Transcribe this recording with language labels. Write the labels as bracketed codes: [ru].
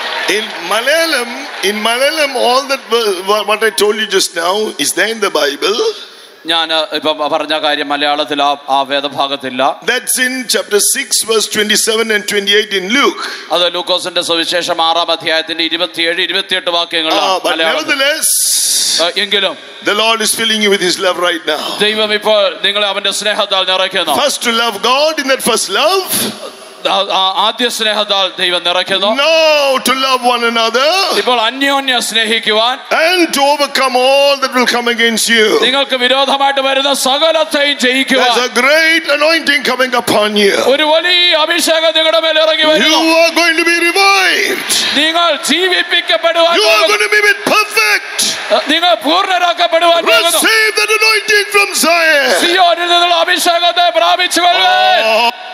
[en] In Malayalam, all that what I told you just now is there in the Bible. [ml] ഞാന് ഇപ്പൊ പറഞ്ഞ കാര്യം മലയാളത്തിൽ ആ വേദഭാഗത്തില്ല. [en] That's in chapter 6 verse 27 and 28 in Luke. [ml] അത് ലൂക്കോസിന്റെ സുവിശേഷം ആറാം അധ്യായത്തിന്റെ 27 28 വാക്യങ്ങളാണ്. [en] Nevertheless, [ml] എങ്കിലും [en] the Lord is filling you with his love right now. [ml] ദൈവം ഇപ്പോൾ നിങ്ങളെ അവന്റെ സ്നേഹത്താൽ നിറയ്ക്കുന്നു. [en] First to love God in that first love. [ml] ആദ്യ സ്നേഹത്താൽ ദൈവം നിറയ്ക്കുന്നു. [en] Now to love one another. [ml] ഇപ്പോൾ അന്യോന്യം സ്നേഹിക്കുവാൻ. [en] And to overcome all that will come against you. [ml] നിങ്ങൾക്ക് വിരോധമായിട്ട് വരുന്ന സകലത്തെയും ജയിക്കുവാൻ. [en] There's a great anointing coming upon you. [ml] ഒരു വലിയ അഭിഷേകം നിങ്ങളുടെ മേൽ ഇറങ്ങി വരുന്നു. [en] You are going to be revived. [ml] നിങ്ങൾ ജീവിപ്പിക്കപ്പെടുവാൻ. [en] You are going to be made perfect. [ml] നിങ്ങൾ പൂർണ്ണരാക്കപ്പെടുവാൻ. [en] Receive that anointing from Zion. [ml] സിയോനിൽ നിന്നുള്ള അഭിഷേകത്തെ പ്രാപിച്ചു കൊള്ളുക.